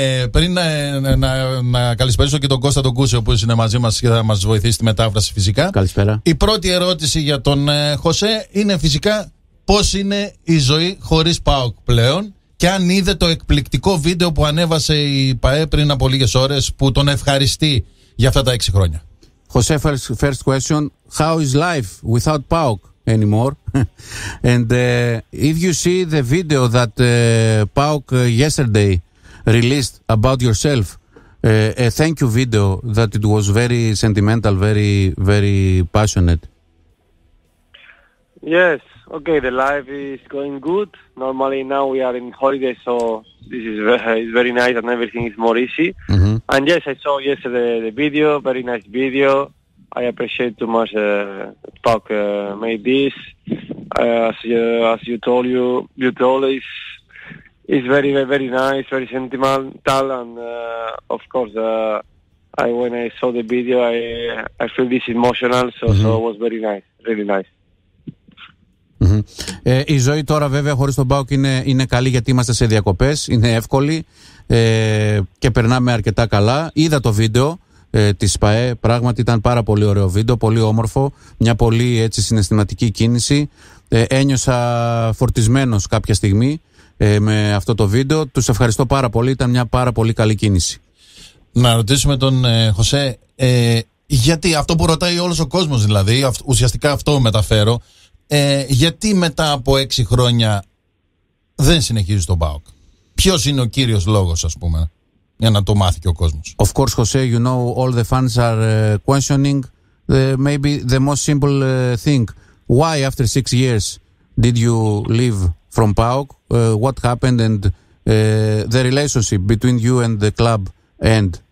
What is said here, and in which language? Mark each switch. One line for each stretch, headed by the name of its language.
Greek: Πριν να καλησπέρισω και τον Κώστα τον Κούσιο που είναι μαζί μας και θα μας βοηθήσει στη μετάφραση φυσικά. Καλησπέρα. Η πρώτη ερώτηση για τον Χωσέ είναι φυσικά πώς είναι η ζωή χωρίς ΠΑΟΚ πλέον και αν είδε το εκπληκτικό βίντεο που ανέβασε η ΠΑΕ πριν από λίγες ώρες που τον ευχαριστεί για αυτά τα 6 χρόνια.
English: Χωσέ, first question, how is life without ΠΑΟΚ anymore? And if you see the video that ΠΑΟΚ yesterday released about yourself, a thank you video, that it was very sentimental, very, very passionate. Yes, okay, the life is going good. Normally now we are in holiday, so this is it's very nice and everything is more easy. Mm-hmm. And yes, I saw yesterday the video, very nice video. I appreciate too much that ΠΑΟΚ made this. As you told us, it's very, very, very nice, very sentimental, and of course, when I saw the video, I feel this emotional, so, mm-hmm. so it was very nice, really nice. Mm-hmm.
Greek: Η ζωή τώρα βέβαια χωρίς τον ΠΑΟΚ είναι καλή γιατί είμαστε σε διακοπές, είναι εύκολη και περνάμε αρκετά καλά. Είδα το βίντεο της ΠΑΕ, πράγματι ήταν πάρα πολύ ωραίο βίντεο, πολύ όμορφο, μια πολύ έτσι συναισθηματική κίνηση. Ένιωσα φορτισμένος κάποια στιγμή με αυτό το βίντεο. Τους ευχαριστώ πάρα πολύ, ήταν μια πάρα πολύ καλή κίνηση. Να ρωτήσουμε τον Χωσέ, γιατί αυτό που ρωτάει όλος ο κόσμος δηλαδή, ουσιαστικά αυτό μεταφέρω, γιατί μετά από 6 χρόνια δεν συνεχίζει τον ΠΑΟΚ? Ποιος είναι ο κύριος λόγος, ας πούμε, για να το μάθει και ο κόσμος?
English: Of course, Jose, you know all the fans are questioning maybe the most simple thing. Why after 6 years did you leave from ΠΑΟΚ? What happened and the relationship between you and the club end?